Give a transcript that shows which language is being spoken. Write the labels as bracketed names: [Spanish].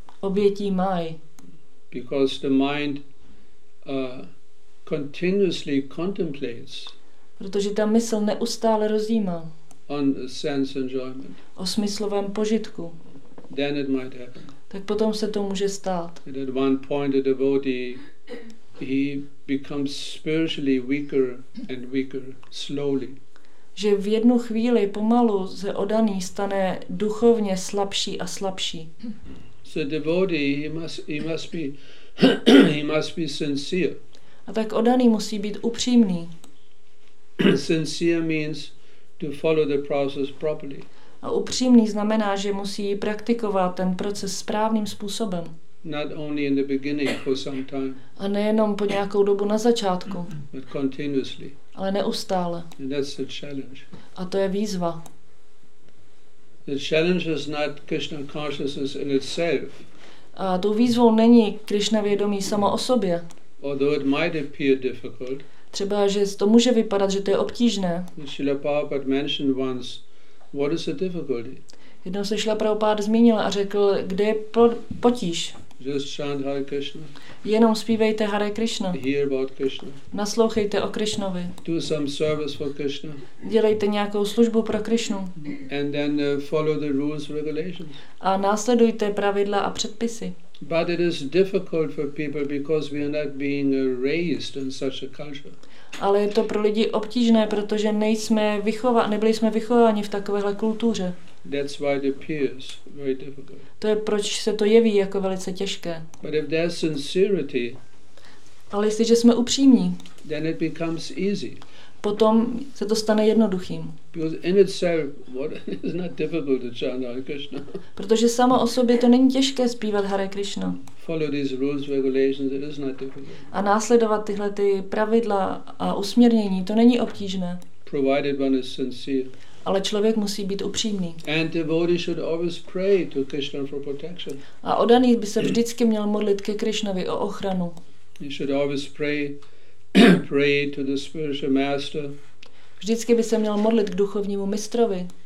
[Czech] Obětí Máji. [English] Because the mind continuously contemplates. [Czech] Protože ta mysl neustále rozjímá. [English] On sense enjoyment. [Czech] O smyslovém požitku. [English] Then it might happen. [Czech] Tak potom se to může stát. [English] And at one point the devotee he becomes spiritually weaker and weaker slowly. [Czech] Že v jednu chvíli pomalu se oddaný stane duchovně slabší a slabší. [English] So devotee he must be sincere. [Czech] A tak oddaný musí být upřímný. [English] Sincere means to follow the process properly. [Czech] A upřímný znamená, že musí praktikovat ten proces správným způsobem. [English] Not only in the beginning for some time. [Czech] A nejenom po nějakou dobu na začátku. [English] But continuously. [Czech] Ale neustále. [English] And that's the challenge. [Czech] A to je výzva. [English] The challenge is not Krishna consciousness in itself. [Czech] A tou výzvou není Krishna vědomí samo o sobě. [English] Although it might appear difficult. [Czech] Třeba že to může vypadat, že to je obtížné. [English] Srila Prabhupada mentioned once, what is the difficulty? [Czech] Jednou se Srila Prabhupada zmínil a řekl, kde je potíž? [English] Just chant Hare Krishna. [Czech] Jenom zpívejte Hare Krishna. [English] Hear about Krishna. [Czech] Naslouchejte o Krishnovi. [English] Do some service for Krishna. [Czech] Dělejte nějakou službu pro Krishnu. [English] And then follow the rules, regulations. [Czech] A následujte pravidla a předpisy. [English] But it is difficult for people because we are not being raised in such a culture. [Czech] Ale je to pro lidi obtížné, protože nebyli jsme vychováni v takovéhle kultuře. [English] That's why it appears very difficult. [Czech] To je proč se to jeví jako velice těžké. [English] But if there's sincerity, [Czech] ale jestliže jsme upřímní, [English] then it becomes easy. [Czech] Potom se to stane jednoduchým. [English] Because in itself, what is not difficult to chant Hare Krishna? [Czech] Protože samo o sobě to není těžké zpívat Hare Krishna. [English] Follow these rules, regulations, it is not difficult. [Czech] A následovat tyhle ty pravidla a usměrnění, to není obtížné. [English] Provided one is sincere. [Czech] Ale člověk musí být upřímný. [English] And devotee should always pray to Krishna for protection. [Czech] A oddaný by se vždycky měl modlit ke Krishnovi o ochranu. [English] He should always pray. Pray to the spiritual master. [Czech] Vždycky by se měl modlit k duchovnímu mistrovi.